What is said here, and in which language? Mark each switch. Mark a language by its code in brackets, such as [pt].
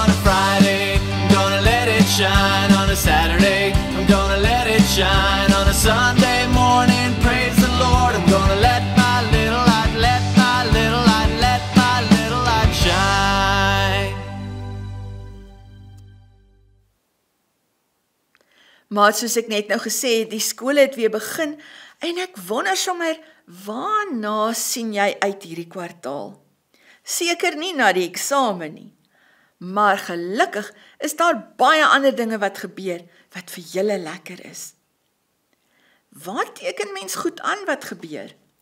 [en] On a Friday, I'm gonna let it shine. On a Saturday, I'm gonna let it shine. On a Sunday morning, praise the Lord, I'm gonna let my little light, let my little light, let my little light shine. [af] Maar soos ek net nou gesê, die skool het weer begin en ek wonder sommer, waarna sien jy uit hierdie kwartaal? Seker nie na die eksamen nie. Maar gelukkig is daar baie ander dinge wat gebeur, wat vir julle lekker is. Waar teken mens goed aan wat gebeur?